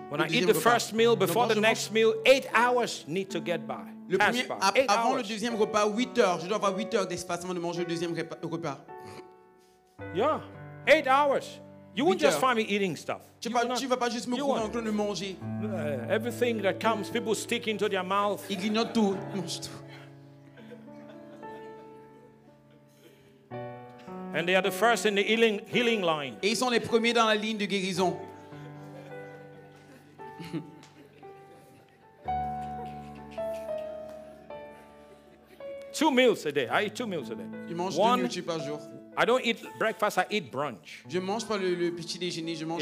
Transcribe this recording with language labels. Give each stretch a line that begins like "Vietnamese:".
English: When I eat the first meal before the next meal, 8 hours need to get by.
French: Le premier, avant le deuxième repas, 8 heures. Je dois avoir 8 heures d'espace avant de manger le deuxième repas.
English: Yeah, 8 hours. You won't just find me eating stuff.
French: Tu vas pas juste me trouver en train de manger.
English: Everything that comes, people stick into their mouth.
French: Ils grignotent tout, mangent tout.
English: And they are the first in the healing line.
French: Et ils sont les premiers dans la ligne de guérison.
English: Two meals a day. I eat 2 meals a day.
French: Ils mangent 2 minutes par jour.
English: I don't eat breakfast, I eat brunch.
French: Je mange pas le petit déjeuner, je mange